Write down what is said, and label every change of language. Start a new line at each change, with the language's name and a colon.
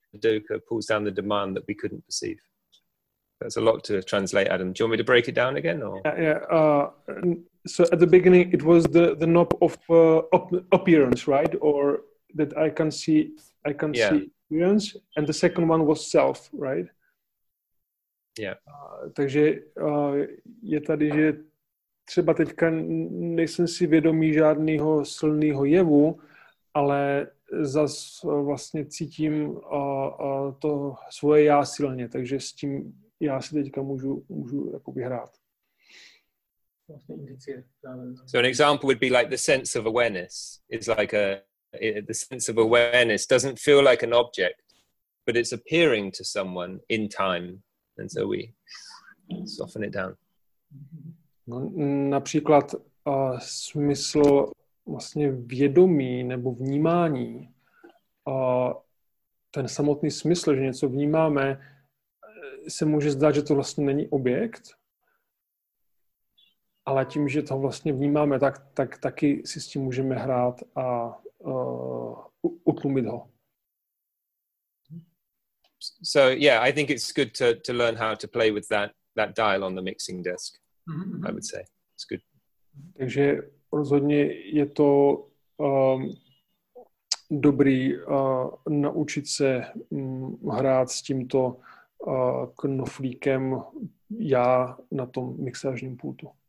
English: dukkha pulls down the demand that we couldn't perceive. That's a lot to translate, Adam. Do you want me to break it down again? Or? Yeah. So at the beginning, it was the knob of appearance, right? Or that I can see, see appearance. And the second one was self, right? Yeah.
Czech: Takže je tady, že třeba teďka nejsem si vědomý žádného silného jevu, ale zas vlastně cítím to svoje já silně, takže s tím já si teďka můžu jako vyhrát.
English: So an example would be like the sense of awareness. It's like the sense of awareness doesn't feel like an object, but it's appearing to someone in time. And so we soften it down.
Czech: No, například smysl vlastně vědomí nebo vnímání, ten samotný smysl, že něco vnímáme, se může zdát, že to vlastně není objekt, ale tím, že to vlastně vnímáme, tak taky si s tím můžeme hrát a utlumit ho.
English: So yeah, I think it's good to learn how to play with that dial on the mixing desk. Mm-hmm. I would say it's good.
Czech: Takže rozhodně je to dobrý naučit se hrát s tímto knoflíkem já na tom mixážním pultu.